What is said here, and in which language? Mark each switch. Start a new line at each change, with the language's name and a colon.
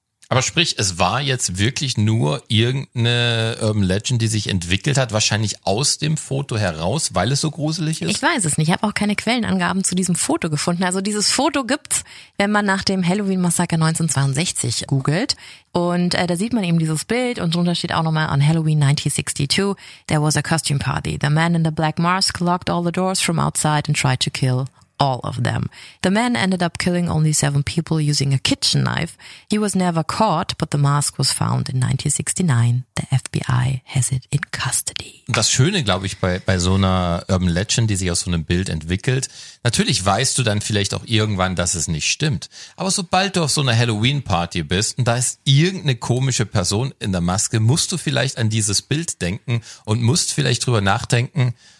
German: Aber sprich, es war jetzt wirklich nur irgendeine Urban Legend, die sich entwickelt hat, wahrscheinlich aus dem Foto heraus, weil es so gruselig ist? Ich weiß es nicht. Ich habe auch keine Quellenangaben zu diesem Foto gefunden. Also dieses Foto gibt's, wenn man nach dem Halloween-Massaker 1962 googelt. Und da sieht man eben dieses Bild und drunter steht auch nochmal:
English: on Halloween 1962, there was a costume party. The man in the black mask locked all the doors from outside and tried to kill all of them. The man ended up killing only 7 people using a kitchen knife. He was never caught, but the mask was found in 1969. The FBI has it in custody.
German: Das Schöne, glaube ich, bei so einer Urban Legend, die sich aus so einem Bild entwickelt, natürlich weißt du dann vielleicht auch irgendwann, dass es nicht stimmt. Aber sobald du auf so einer Halloween-Party bist und da ist irgendeine komische Person in der Maske, musst du vielleicht an dieses Bild denken und musst vielleicht drüber nachdenken.